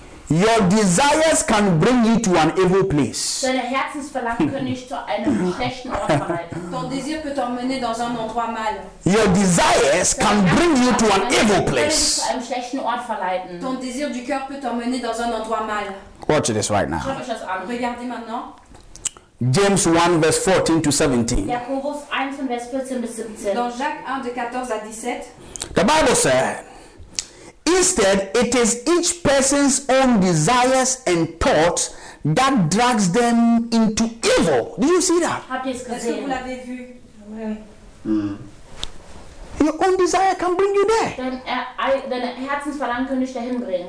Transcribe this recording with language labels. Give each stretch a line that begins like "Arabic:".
English: Your desires can bring you to an evil place.
German: Deine Herzensverlangen können dich zu einem schlechten Ort verleiten.
French: Ton désir peut t'emmener dans un endroit mal.
English: Your desires can bring you to an evil place.
German: Deine Herzensverlangen können dich zu einem schlechten Ort verleiten.
French: Ton désir du cœur peut t'emmener dans un endroit mal.
English: Watch this right now.
German: Regardez maintenant.
English: James 1, verse 14 to 17.
German: Jakobus 1, vers 14 bis 17.
French: Dans Jacques 1, de 14 à 17.
English: The Bible said, instead, it is each person's own desires and thoughts that drags them into evil. Do you see that?
French: Est-ce que vous l'avez vu? Mm.
English: Your own desire can bring you there.
German: Deine Herzensverlangen können dich dahin bringen.